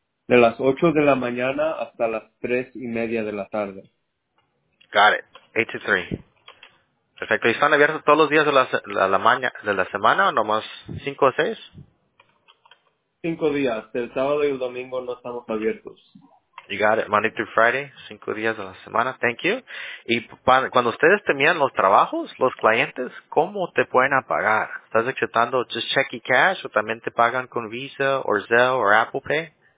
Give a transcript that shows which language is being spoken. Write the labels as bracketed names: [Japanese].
[Spanish] De las 8 de la mañana hasta las 3 y media de la tarde. [English] Got it. 8 to 3. [Spanish] Perfecto. ¿Y están abiertos todos los días de la semana o nomás 5 o 6? 5 días. El sábado y el domingo no estamos abiertos. [English] You got it, Monday through Friday, [Spanish] 5 días a la semana, [English] thank you. [Spanish] Y cuando ustedes terminan los trabajos, los clientes, ¿cómo te pueden pagar? ¿Estás aceptando [English] just check [Spanish] y cash o también te pagan con Visa o Zelle o Apple Pay?